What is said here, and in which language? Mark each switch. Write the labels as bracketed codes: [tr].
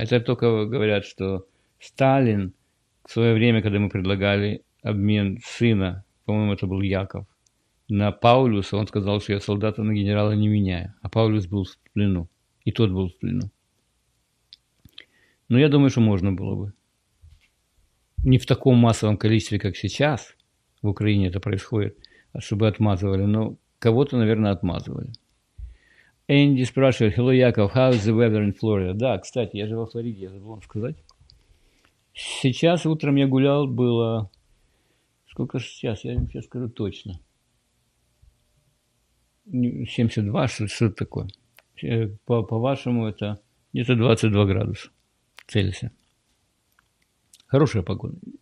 [ru] Это только говорят, что Сталин в свое время, когда мы предлагали обмен сына, по-моему, это был Яков, на Паулюса, он сказал, что я солдата на генерала не меняю. А Паулюс был в плену. И тот был в плену. Но я думаю, что можно было бы. Не в таком массовом количестве, как сейчас в Украине это происходит, а чтобы отмазывали. Но кого-то, наверное, отмазывали. Энди спрашивает, [en] hello, Яков, how is the weather in Florida? [ru] Да, кстати, я же во Флориде, я забыл вам сказать. Сейчас утром я гулял, было... Сколько сейчас? Я вам сейчас скажу точно. 72, что-то такое. По-вашему, это где-то 22 градуса Цельсия. Хорошая погода.